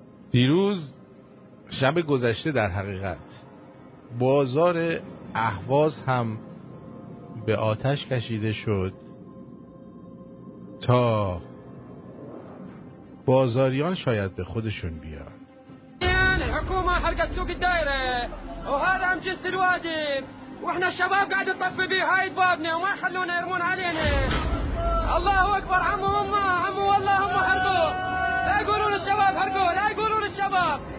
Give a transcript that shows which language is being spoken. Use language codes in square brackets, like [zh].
[fa] دیروز شب گذشته در حقیقت بازار اهواز هم به آتش کشیده شد تا بازاریان شاید به خودشون بیان. [ar] الحكومه حرقت سوق الدائره وهذا هم جنس الوادي واحنا الشباب قاعد نطفي به هاي بابنا وما يخلونا يرمون علينا. الله اكبر. عمو هم عمو والله هم حرقوا. لا يقولون الشباب حرقوا، لا يقولون الشباب.